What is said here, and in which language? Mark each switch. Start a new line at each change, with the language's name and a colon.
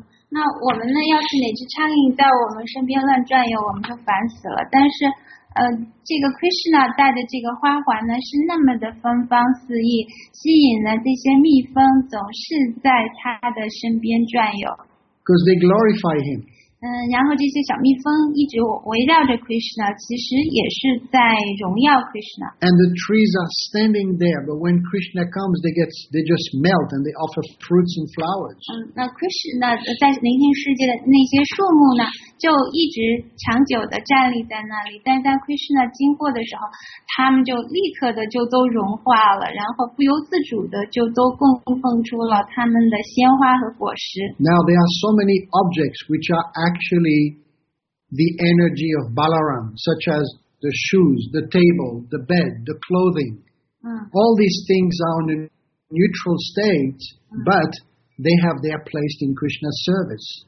Chinese: 那我们呢，要是哪只苍蝇在我们身边乱转悠，我们就烦死了。但是这个 Krishna 戴的这个花环呢，是那么的芬芳四溢，吸引了这些蜜蜂总是在他的身边转悠。
English: Because they glorify him.
Chinese: 然后这些小蜜蜂一直围绕着 Krishna， 其实也是在荣耀 Krishna。
English: And the trees are standing there, but when Krishna comes, they just melt and they offer fruits and flowers.
Chinese: 那 Krishna 在灵性世界的那些树木呢？就一直长久的站立在那里，但在 Krishna 经过的时候，他们就立刻的就都融化了，然后不由自主的就都供奉出了他们的鲜花和果实。
English: Now there are so many objects which are actually the energy of Balaram, such as the shoes, the table, the bed, the clothing. All these things are in a neutral state, but they have their place in Krishna's service.